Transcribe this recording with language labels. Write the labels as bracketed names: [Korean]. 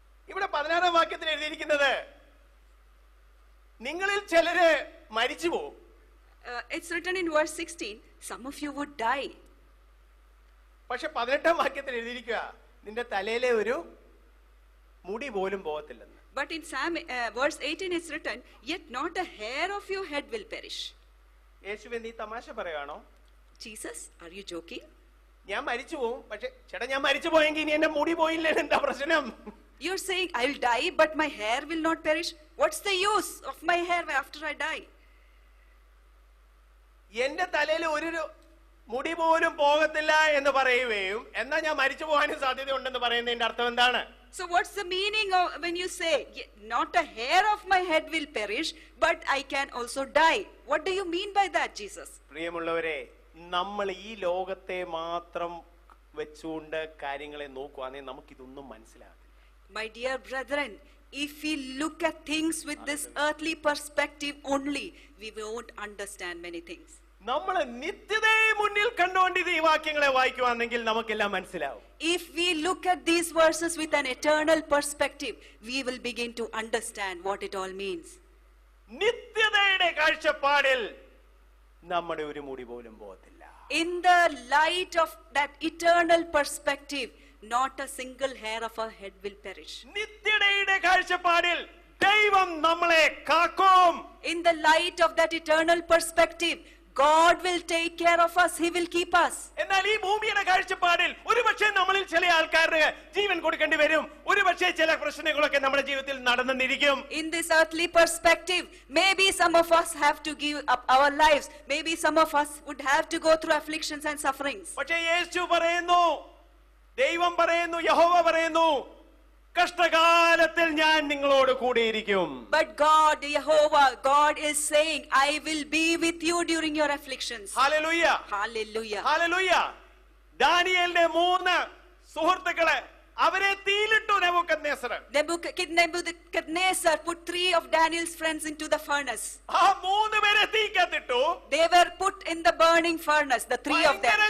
[Malayalam] ഇവിടെ 16 വാക്യത്തിൽ എഴുതിയിരിക്കുന്നത് നിങ്ങളിൽ ചിലര് മരിച്ചു പോകും. [English] It's written in verse 16, some of you would die. [Malayalam] പക്ഷെ 18 വാക്യത്തിൽ എഴുതിയിരിക്കുക നിന്റെ തലയിലെ ഒരു മുടി പോലും പോകത്തില്ലെന്ന്. [English] But in Sam, verse 18 it's written, yet not a hair of your head will perish. [Malayalam] യേശുവേ നീ തമാശ പറയാണോ? [English] Jesus, are you joking? [Malayalam] ഞാൻ മരിച്ചു പോകും, പക്ഷെ ചേട്ടാ ഞാൻ മരിച്ചു പോയെങ്കിൽ ഇനി എന്റെ മുടി പോയില്ലേ, എന്താ പ്രശ്നം? [English] You're saying I'll die but my hair will not perish. What's the use of my hair after I die? [Malayalam] എന്റെ തലയിൽ ഒരു മുടി പോലും പോകത്തില്ല എന്ന് പറയുകയും എന്നാ ഞാൻ മരിച്ചു പോകാനും സാധ്യത ഉണ്ടെന്ന് പറയുന്നതിന്റെ അർത്ഥം എന്താണ്? [English] So what's the meaning of when you say not a hair of my head will perish but I can also die? What do you mean by that, Jesus? [Malayalam] പ്രിയമുള്ളവരെ, നമ്മൾ ഈ ലോകത്തെ മാത്രം വെച്ചുകൊണ്ട് കാര്യങ്ങളെ നോക്കുവാനേ നമുക്കിതൊന്നും മനസ്സിലാകില്ല. [English] My dear brethren, if we look at things with this earthly perspective only, we won't understand many things. [Malayalam] നമ്മളെ നിത്യതയെ മുന്നിൽ കണ്ടുകൊണ്ട് ഈ വാക്യങ്ങളെ വായിക്കുവാണെങ്കിൽ നമുക്കെല്ലാം മനസ്സിലാവും. [English] If we look at these verses with an eternal perspective, we will begin to understand what it all means. [Malayalam] നിത്യതയുടെ കാഴ്ചപ്പാടിൽ നമ്മുടെ ഒരു മുടി പോലും പോകത്തില്ല. [English] In the light of that eternal perspective, not a single hair of our head will perish. [Malayalam] നിത്യതയുടെ കാഴ്ചപ്പാടിൽ ദൈവം നമ്മളെ കാക്കും. [English] In the light of that eternal perspective, God will take care of us. He will keep us. [Malayalam] എന്നാൽ ഈ ഭൂമിയുടെ കാഴ്ചപ്പാടിൽ ഒരുപക്ഷേ നമ്മളിൽ ചില ആൾക്കാരെ ജീവൻ കൊടുക്കേണ്ടി വരും. ഒരുപക്ഷേ ചില പ്രശ്നങ്ങളൊക്കെ നമ്മുടെ ജീവിതത്തിൽ നടന്നിരിക്കും. [English] In this earthly perspective, maybe some of us have to give up our lives. Maybe some of us would have to go through afflictions and sufferings. [Malayalam] പക്ഷേ യേശു പറയുന്നു, ദൈവം പറയുന്നു, യഹോവ പറയുന്നു, കഷ്ടകാലത്തിൽ ഞാൻ നിങ്ങളോട് കൂടിയിരിക്കും. [English] But God, Jehovah, God is saying, I will be with you during your afflictions. Hallelujah. Hallelujah. Hallelujah. [Malayalam] ദാനിയേലിന്റെ മൂന്ന് സുഹൃത്തുക്കളെ അവരെ തീയിലിട്ടു Nebuchadnezzar. [English] Nebuchadnezzar put three of Daniel's friends into the furnace. [Malayalam] ആ മൂന്ന് പേരെ തീക്കത്തിട്ടു. [English] They were put in the burning furnace, the three of them.